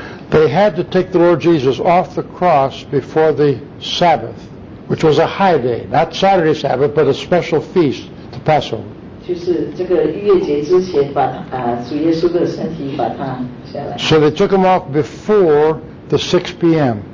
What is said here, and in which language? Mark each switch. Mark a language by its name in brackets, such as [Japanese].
[English] They had to take the Lord Jesus off the cross before the Sabbath, which was a high day, not Saturday Sabbath, but a special feast, the Passover. [Chinese] 就是这个逾越节之前把主耶稣的身体把它下来。 [English] So they took him off before the 6 p.m.